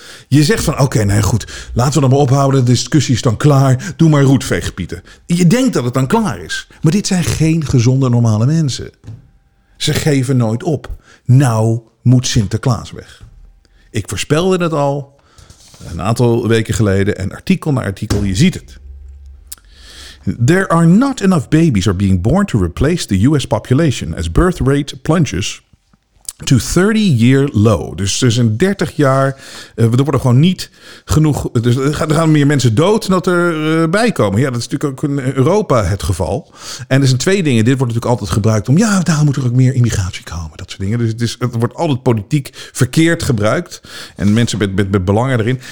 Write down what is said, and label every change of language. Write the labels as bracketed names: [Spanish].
[Dutch] Je zegt van, oké, nou goed. Laten we dan maar ophouden. De discussie is dan klaar. Doe maar roetveegpieten. Je denkt dat het dan klaar is. Maar dit zijn geen gezonde, normale mensen. Ze geven nooit op. Nou moet Sinterklaas weg. Ik voorspelde het al een aantal weken geleden. En artikel na artikel, je ziet het. [English] There are not enough babies are being born to replace the US population as birth rate plunges to 30-year low. [Dutch] Dus er zijn 30 jaar, er worden gewoon niet genoeg, dus er gaan meer mensen dood dan dat er bij komen. Ja, dat is natuurlijk ook in Europa het geval. En er zijn twee dingen, dit wordt natuurlijk altijd gebruikt om, ja, daar moet er ook meer immigratie komen, dat soort dingen. Dus het wordt altijd politiek verkeerd gebruikt en mensen met belangen erin.